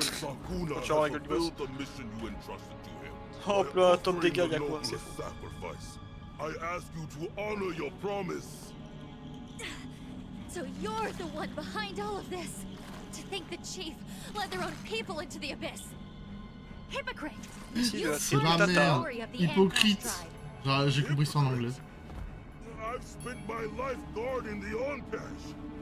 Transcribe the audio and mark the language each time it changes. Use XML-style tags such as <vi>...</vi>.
<en>Sakuna has fulfilled the mission you entrusted to him.</en> <fr>Hop là, tombe des gars, y'a quoi, c'est fou.</fr> <en>I ask you to honor your promise. So you're the one behind all of this. To think the chief led their own people into the abyss. Hypocrite.</en> <fr>C'est ma mère. Hypocrite. J'ai compris ça en anglais.</fr> <en>I've spent my life guarding the Onpesh.</en>